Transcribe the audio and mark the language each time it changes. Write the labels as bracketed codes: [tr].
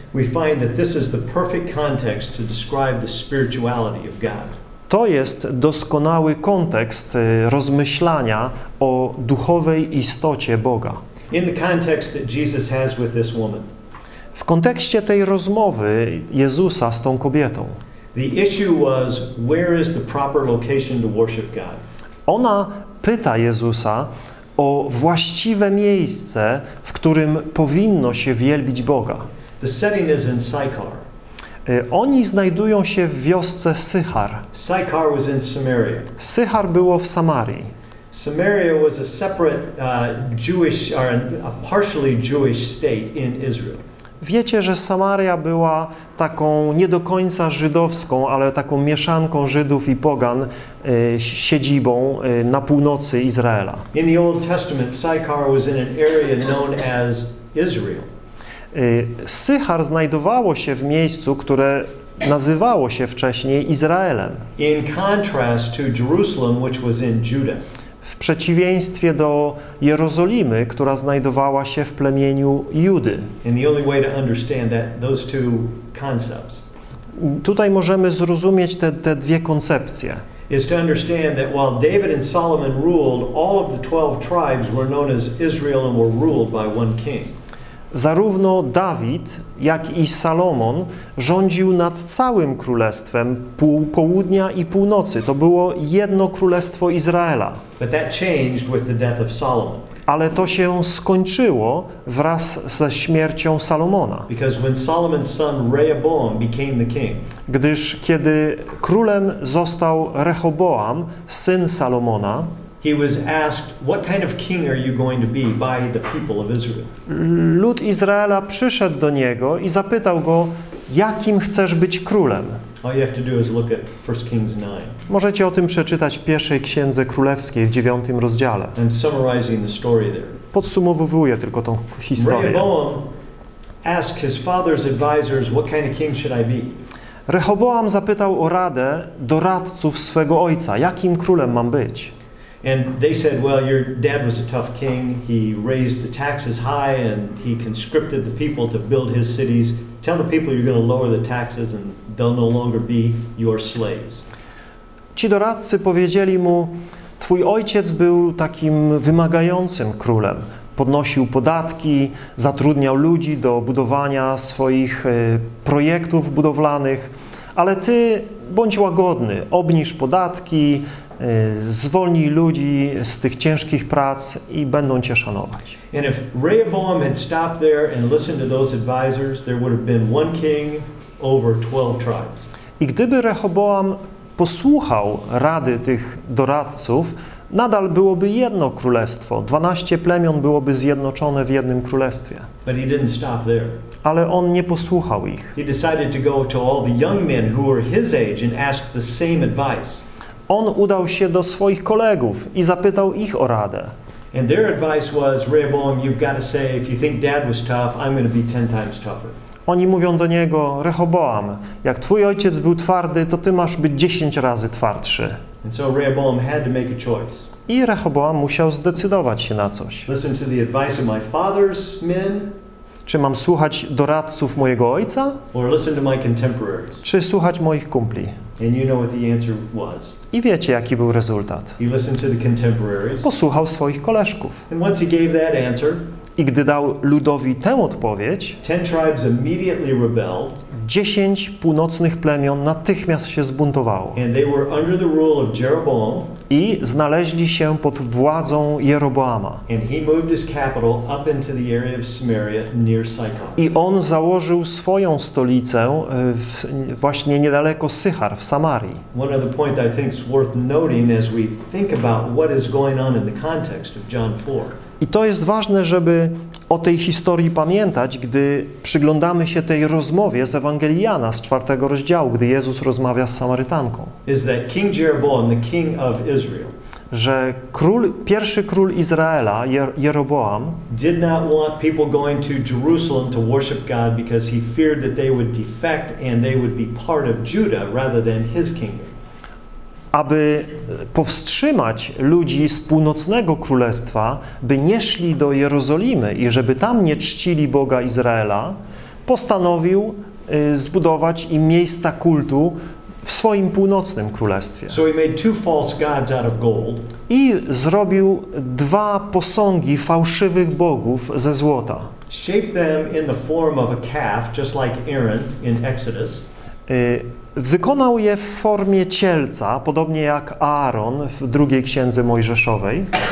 [en] We find that this is the perfect context to describe the spirituality of God. [pl] To jest doskonały kontekst rozmyślania o duchowej istocie Boga. [en] In the context that Jesus has with this woman. [pl] W kontekście tej rozmowy Jezusa z tą kobietą. [en] The issue was, where is the proper location to worship God? [pl] Ona pyta Jezusa o właściwe miejsce, w którym powinno się wielbić Boga. [en] The setting is in Sychar. [pl] Oni znajdują się w wiosce Sychar. [en] Sychar was in Samaria. [pl] Sychar było w Samarii. [en] Samaria was a separate Jewish or a partially Jewish state in Israel. [pl] Wiecie, że Samaria była taką nie do końca żydowską, ale taką mieszanką Żydów i pogan, siedzibą na północy Izraela. [en] In the Old Testament, Sychar was in an area known as Israel. [pl] Sychar znajdowało się w miejscu, które nazywało się wcześniej Izraelem. [en] In contrast to Jerusalem, which was in Judah. [pl] W przeciwieństwie do Jerozolimy, która znajdowała się w plemieniu Judy. [en] And the only way to understand that, those two concepts. [pl] Tutaj możemy zrozumieć te dwie koncepcje. [en] Is to understand that while David and Solomon ruled, all of the 12 tribes were known as Israel and were ruled by one king. [pl] Zarówno Dawid, jak i Salomon rządził nad całym królestwem południa i północy. To było jedno królestwo Izraela. [en] But that changed with the death of Solomon. [pl] Ale to się skończyło wraz ze śmiercią Salomona. [en] Because when Solomon's son Rehoboam became the king. [pl] Gdyż kiedy królem został Rehoboam, syn Salomona, [en] he was asked, what kind of king are you going to be by the people of Israel? [pl] Lud Izraela przyszedł do niego i zapytał go, jakim chcesz być królem? [en] All you have to do is look at 1 Kings 9. [pl] Możecie o tym przeczytać w pierwszej księdze królewskiej w 9 rozdziale. [en] I'm summarizing the story there. [pl] Podsumowuję tylko tą historię. [en] Rehoboam asked his father's advisors, what kind of king should I be? [pl] Rehoboam zapytał o radę doradców swego ojca, jakim królem mam być? [en] And they said, well, your dad was a tough king. He raised the taxes high and he conscripted the people to build his cities. Tell the people you're going to lower the taxes and they'll no longer be your slaves. [pl] Ci doradcy powiedzieli mu, twój ojciec był takim wymagającym królem. Podnosił podatki, zatrudniał ludzi do budowania swoich projektów budowlanych. Ale ty bądź łagodny, obniż podatki, zwolni ludzi z tych ciężkich prac i będą cię szanować. [en] And if Rehoboam had stopped there and listened to those advisors, there would have been one king over 12 tribes. [pl] I gdyby Rehoboam posłuchał rady tych doradców, nadal byłoby jedno królestwo. 12 plemion byłoby zjednoczone w jednym królestwie. [en] But he didn't stop there. [pl] Ale on nie posłuchał ich. [en] He decided to go to all the young men who were his age and ask the same advice. [pl] On udał się do swoich kolegów i zapytał ich o radę. [en] And their advice was, Rehoboam, you've got to say, if you think dad was tough, I'm going to be 10 times tougher. [pl] Oni mówią do niego, Rehoboam, jak twój ojciec był twardy, to ty masz być 10 razy twardszy. [en] And so Rehoboam had to make a choice. [pl] I Rehoboam musiał zdecydować się na coś. [en] Listen to the advice of my father's men. [pl] Czy mam słuchać doradców mojego ojca? [en] Or listen to my contemporaries. [pl] Czy słuchać moich kumpli? [en] And you know what the answer was. [pl] I wiecie, jaki był rezultat. [en] He listened to the contemporaries. [pl] Posłuchał swoich koleżków. [en] And once he gave that answer, [pl] i gdy dał ludowi tę odpowiedź, [en] 10 tribes immediately rebelled. [pl] 10 północnych plemion natychmiast się zbuntowało. [en] And they were under the rule of Jeroboam. [pl] I znaleźli się pod władzą Jeroboama. [en] And he moved his capital up into the area of Samaria near Sychar. [pl] I on założył swoją stolicę właśnie niedaleko Sychar w Samarii. [en] One other point I think is worth noting as we think about what is going on in the context of John 4. [pl] I to jest ważne, żeby o tej historii pamiętać, gdy przyglądamy się tej rozmowie z Ewangelii Jana z 4 rozdziału, gdy Jezus rozmawia z Samarytanką. [en] Is that King Jeroboam, the king of Israel, [pl] że król, pierwszy król Izraela, Jeroboam, [en] did not want people going to Jerusalem to worship God because he feared that they would defect and they would be part of Judah rather than his kingdom. [pl] Aby powstrzymać ludzi z północnego królestwa, by nie szli do Jerozolimy i żeby tam nie czcili Boga Izraela, postanowił zbudować im miejsca kultu w swoim północnym królestwie. [en] So he made two false gods out of gold. [pl] I zrobił dwa posągi fałszywych bogów ze złota. [en] Shaped them in the form of a calf, just like Aaron in Exodus. [pl] Wykonał je w formie cielca, podobnie jak Aaron w drugiej księdze Mojżeszowej.